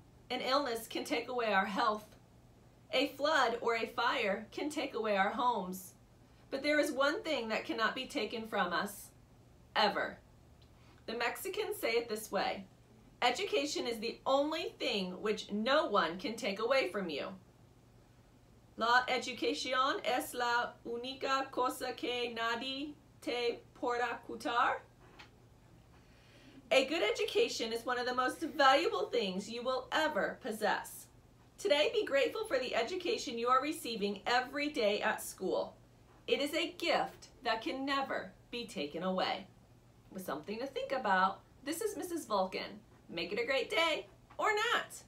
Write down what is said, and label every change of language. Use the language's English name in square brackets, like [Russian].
[English] An illness can take away our health. A flood or a fire can take away our homes. But there is one thing that cannot be taken from us, ever. The Mexicans say it this way: education is the only thing which no one can take away from you. [Spanish] La educación es la única cosa que nadie te podrá quitar. [English] A good education is one of the most valuable things you will ever possess. Today, be grateful for the education you are receiving every day at school. It is a gift that can never be taken away. With something to think about, this is Mrs. Vulcan. Make it a great day or not.